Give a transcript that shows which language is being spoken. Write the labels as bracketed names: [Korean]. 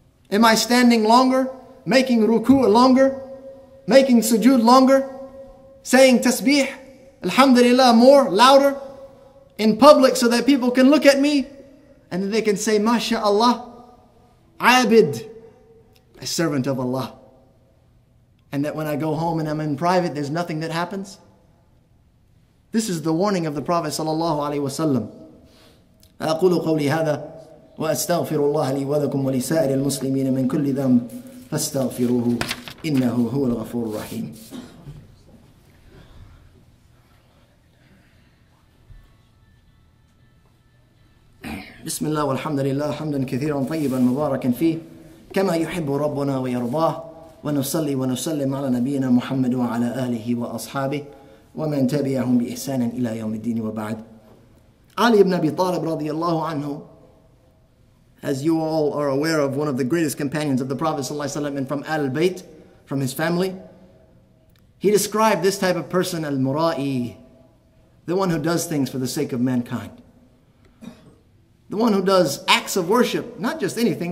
[English] Am I standing longer, making ruku longer, making sujood longer, saying tasbih, alhamdulillah, more, louder, in public so that people can look at me and they can say, MashaAllah, abid, a servant of Allah. And that when I go home and I'm in private, there's nothing that happens. This is the warning of the Prophet sallallahu alaihi wasallam. [Arabic] أقول قولي هذا وأستغفر الله لي ولكم ولسائر المسلمين من كل ذنب فاستغفروه إنه هو الغفور الرحيم. بسم الله والحمد لله حمدا كثيرا طيبا مباركا فيه كما يحب ربنا ويرضاه ونصلي ونسلم على نبينا محمد وعلى آله وأصحابه ومن تبعهم بإحسان إلى يوم الدين وبعد. [English] Ali ibn Abi Talib radiallahu anhu, as you all are aware of, one of the greatest companions of the Prophet sallallahu alaihi wasallam, and from Al Bayt, from his family, he described this type of person, al Mura'i, the one who does things for the sake of mankind, the one who does acts of worship, not just anything.